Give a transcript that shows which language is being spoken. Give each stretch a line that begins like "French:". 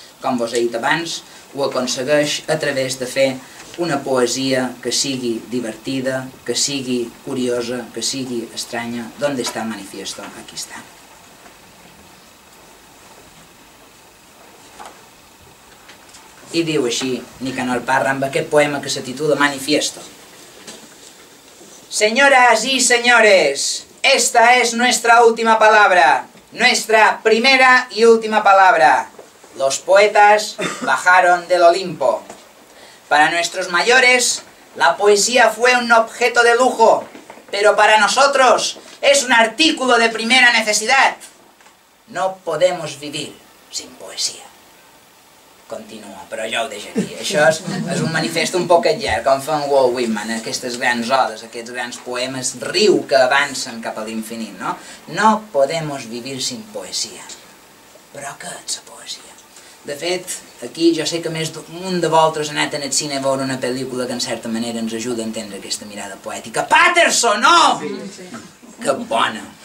Catalan: Com vos he dit abans, ho aconsegueix a través de fer una poesia que sigui divertida, que sigui curiosa, que sigui estranya. D'on està el manifiesto? Aquí està. I diu així Nicanor Parra amb aquest poema que se titula Manifiesto.
Spanish: Señoras y señores, esta es nuestra última palabra, nuestra primera y última palabra. Los poetas bajaron del Olimpo. Para nuestros mayores, la poesía fue un objeto de lujo, pero para nosotros es un artículo de primera necesidad. No podemos vivir sin poesía.
Catalan: Continua, però jo ho deixo aquí. Això és un manifesto un poquet llarg, com fa en Walt Whitman, aquestes grans odes, aquests grans poemes, riu que avancen cap a l'infinit, no?
Spanish: No podemos vivir sin poesia.
Catalan: Però què és la poesia? De fet, aquí jo sé que més d'un de vosaltres ha anat al cine a veure una pel·lícula que en certa manera ens ajuda a entendre aquesta mirada poètica. Patterson, no! Sí, sí. Que bona!